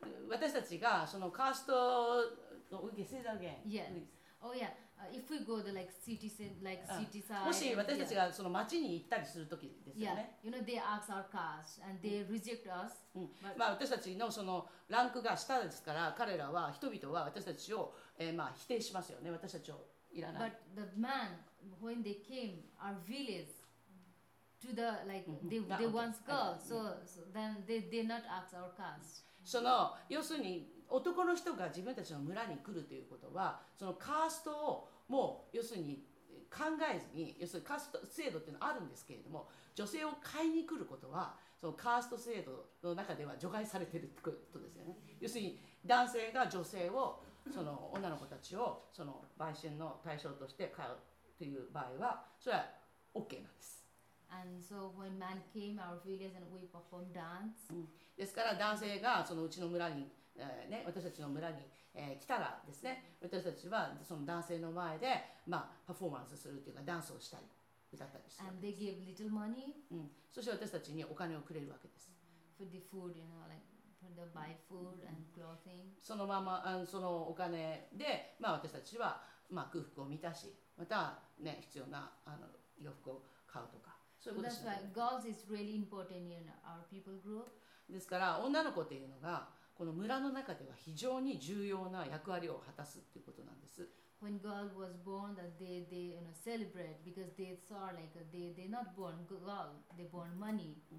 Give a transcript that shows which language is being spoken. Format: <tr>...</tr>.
<ja>私たちがそのカーストの受け継いだわけ。</ja> <en>Yeah. Oh yeah. If we go to like city, like city side.</en> <ja>もし私たちがその町に行ったりするときですよね。 Yeah.</ja> <en>You know they ask our caste and they reject us.</en> <ja>まあ私たちのそのランクが下ですから、彼らは人々は私たちを、まあ否定しますよね。私たちをいらない。</ja> <en>But the man when they came our village. To the like they want girls, so then they not ask our caste.</en> <ja>その要するに男の人が自分たちの村に来るということは、そのカーストをもう要するに考えずに、要するにカースト制度っていうのはあるんですけれども、女性を買いに来ることはそのカースト制度の中では除外されてるってことですよね。要するに男性が女性をその女の子たちをその売春の対象として買うという場合はそれは OK なんです。</ja> <en>And so when man came, our villages and we perform dance.</en> <ja>ですから男性がそのうちの村に、ね、私たちの村に、来たらですね、私たちはその男性の前で、まあ、パフォーマンスするというかダンスをしたり歌ったりする。</ja> <en>And they give little money.、</en> <ja>うん、そして私たちにお金をくれるわけです。</ja> <en>For the food, you know, likeFor the buy food and clothing.</en> <ja>そのままあのそのお金で、まあ、私たちは、まあ、空腹を満たし、また、ね、必要なあの洋服を買うとか、そういうことですね。</ja> <en>That's why girls is really important in our people group.</en> <ja>ですから女の子というのがこの村の中では非常に重要な役割を果たすということなんです。</ja> <en>When girl was born, that they you know, celebrate because they saw like they not born girl, they born money.</en>